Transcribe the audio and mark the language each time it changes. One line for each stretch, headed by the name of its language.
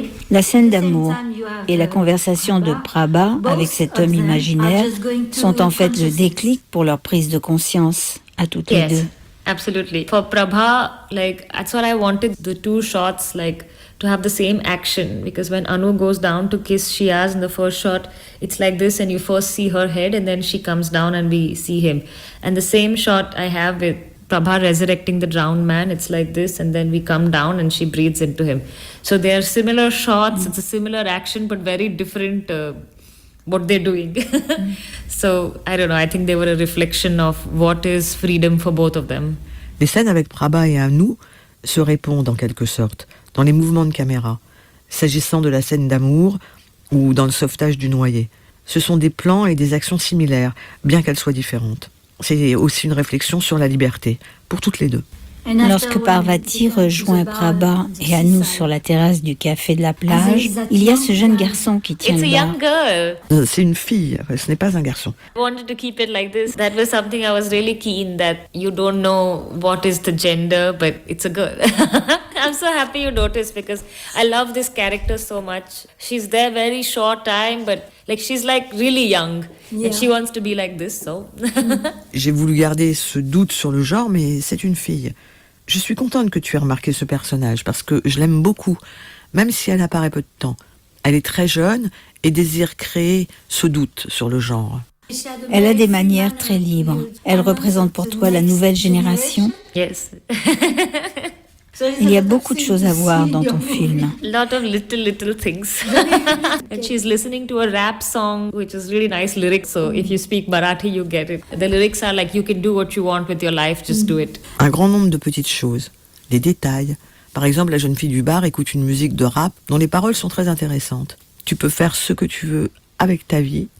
French: La scène d'amour et la conversation de Prabha avec cet homme imaginaire sont en fait le déclic pour leur prise de conscience à toutes les deux.
English: Absolutely. For Prabha, like, that's what I wanted, the two shots, like, to have the same action. Because when Anu goes down to kiss Shiaz in the first shot, it's like this, and you first see her head, and then she comes down and we see him. And the same shot I have with Prabha resurrecting the drowned man, it's like this, and then we come down and she breathes into him. So they are similar shots, it's a similar action, but very different what they're doing. So, I don't know, I think they were a reflection of what is freedom for both of them.
French: Les scènes avec Prabha et Anu se répondent en quelque sorte, dans les mouvements de caméra, s'agissant de la scène d'amour ou dans le sauvetage du noyé. Ce sont des plans et des actions similaires, bien qu'elles soient différentes. C'est aussi une réflexion sur la liberté, pour toutes les deux. Lorsque Parvati rejoint Prabha et Anu sur la terrasse du café de la plage, il y a ce jeune garçon qui tient le bar.
English: It's a young girl.
French: C'est une fille, ce n'est pas un garçon.
English: I wanted to keep it like this. That was something I was really keen, that you don't know what is the gender, but it's a girl. I'm so happy you noticed, because I love this character so much. She's there very short time, but like, she's like really young. Yeah. And she wants to be like this, so.
French: J'ai voulu garder ce doute sur le genre, mais c'est une fille. Je suis contente que tu aies remarqué ce personnage, parce que je l'aime beaucoup, même si elle apparaît peu de temps. Elle est très jeune et désire créer ce doute sur le genre. Elle a des manières très libres. Elle représente pour toi la nouvelle génération.
English: Yes.
French: Il y a beaucoup de choses à voir dans ton film.
English: Lot of little things. And she's listening to a rap song, which is really nice lyrics. So if you speak Marathi, you get it. The lyrics are like, you can do what you want with your life, just do it.
French: Un grand nombre de petites choses, des détails. Par exemple, la jeune fille du bar écoute une musique de rap dont les paroles sont très intéressantes. Tu peux faire ce que tu veux avec ta vie,